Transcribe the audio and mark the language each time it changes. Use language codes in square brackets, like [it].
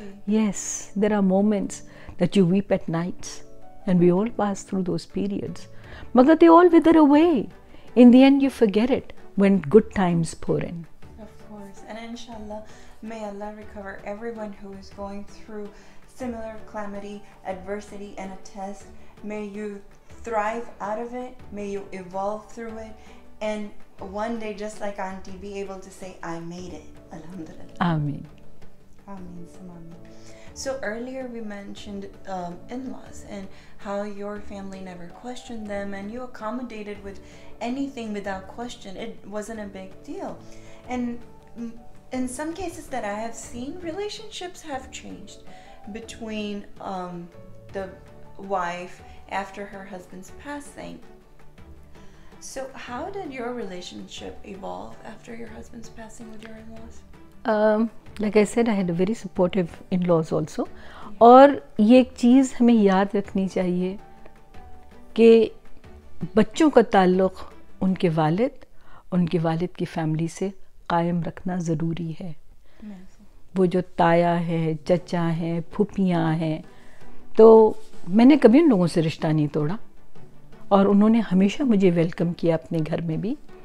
[en] Yes, there are moments that you weep at nights, and we all pass through those periods, मगर they all wither away in the end. You forget it when good times pour in. Of course, and इंशाअल्लाह, may Allah recover everyone who is going through similar calamity, adversity and a test. May you thrive out of it, may you evolve through it, and one day, just like Auntie, be able to say, I made it, alhamdulillah. Ameen. Ameen, samameen. So earlier we mentioned in-laws and how your family never questioned them, and you accommodated with anything without question. It wasn't a big deal. And in some cases that I have seen, relationships have changed between the wife after her husband's passing. So how did your relationship evolve after your husband's passing with your in-laws? Like I said, I had a very supportive in-laws also. [hi] और ये एक चीज़ हमें याद रखनी चाहिए कि बच्चों का ताल्लुक उनके वालिद की फैमिली से कायम रखना ज़रूरी है। वो जो ताया है, चचा है, फूफियाँ हैं, तो मैंने कभी उन लोगों से रिश्ता नहीं तोड़ा और उन्होंने हमेशा मुझे वेलकम किया अपने घर में भी